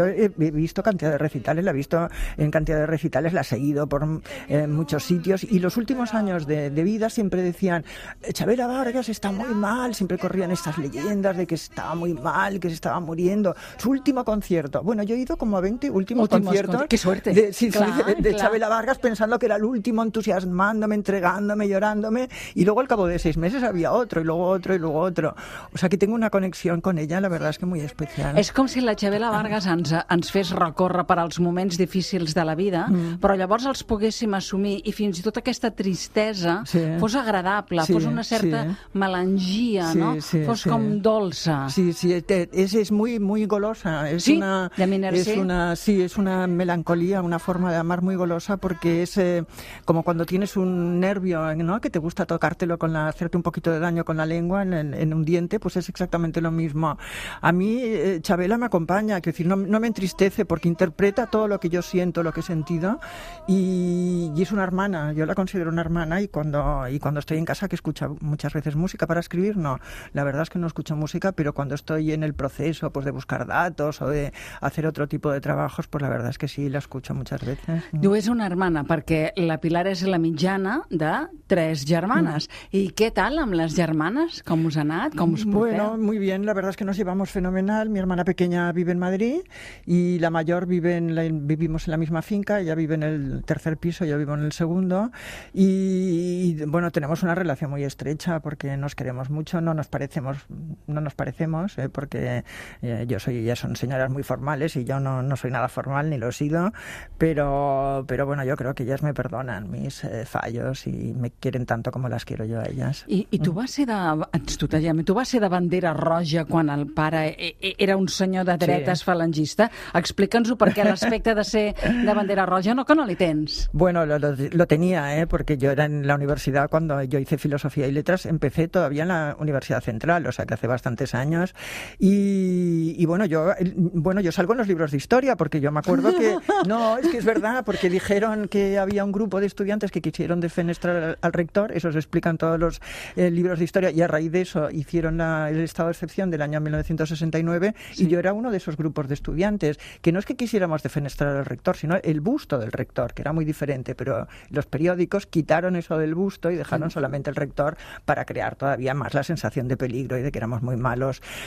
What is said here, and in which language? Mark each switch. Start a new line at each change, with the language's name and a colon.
Spanish: yo he visto cantidad de recitales, la he visto en cantidad de recitales, la he seguido por muchos sitios, y los últimos años de vida siempre decían, Chavela Vargas está muy mal, siempre corrían estas leyendas de que estaba muy mal, que se estaba muriendo, su último concierto. Bueno, yo he ido como a 20 últimos conciertos. ¡Qué suerte! De Chavela Vargas, pensando que era el último, entusiasmándome, entregándome, llorándome, y luego al cabo de 6 meses había otro, y luego otro, y luego otro. O sea, que tengo una conexión con ella, la verdad es que muy especial.
Catalan: És com si la Chavela Vargas ens fes recórrer per als moments difícils de la vida, però llavors els poguéssim assumir, i fins i tot aquesta tristesa fos agradable, fos una certa melangia, fos com dolça.
Spanish: Sí, sí, és muy, muy golosa. Sí, de Minersé. Sí,
Catalan: és una melancolia,
Spanish: una forma de amar muy golosa, porque es como cuando tienes un nervio, ¿no?, que te gusta tocártelo, hacerte un poquito de daño con la lengua en un diente, pues es exactamente lo mismo. A mí Chavela me acompaña, quiero decir, no me entristece, porque interpreta todo lo que yo siento, lo que he sentido, y es una hermana, yo la considero una hermana, y cuando estoy en casa, que escucha muchas veces música para escribir, no, la verdad es que no escucho música, pero cuando estoy en el proceso, pues, de buscar datos o de hacer otro tipo de trabajos, pues la verdad es que sí, la escucho muchas veces.
Catalan: Tu és una hermana, perquè la Pilar és la mitjana de 3 germanes. I què tal amb les germanes? Com us ha anat? Com us porteu?
Spanish: Bueno, muy bien. La verdad es que nos llevamos fenomenal. Mi hermana pequeña vive en Madrid y la mayor vivimos en la misma finca. Ella vive en el tercer piso, yo vivo en el segundo. Y bueno, tenemos una relación muy estrecha porque nos queremos mucho. No nos parecemos, porque ellas son señoras muy formales y yo no soy nada formal, ni lo he sido. Pero bueno, yo creo que ellas me perdonan mis fallos y me quieren tanto como las quiero yo a ellas.
Catalan: I tu vas ser de bandera roja quan el pare era un senyor de dretes falangista? Explica'ns-ho, perquè l'aspecte de ser de bandera roja no, que no li tens.
Spanish: Bueno, lo tenía, porque yo era en la universidad cuando yo hice filosofía y letras, empecé todavía en la Universidad Central, o sea que hace bastantes años, y bueno, yo salgo en los libros de historia, porque yo me acuerdo que... No, es que es verdad, porque dijeron que había un grupo de estudiantes que quisieron defenestrar al rector, eso se explica en todos los libros de historia, y a raíz de eso hicieron el estado de excepción del año 1969, y yo era uno de esos grupos de estudiantes, que no es que quisiéramos defenestrar al rector, sino el busto del rector, que era muy diferente, pero los periódicos quitaron eso del busto y dejaron solamente el rector, para crear todavía más la sensación de peligro y de que éramos muy malos.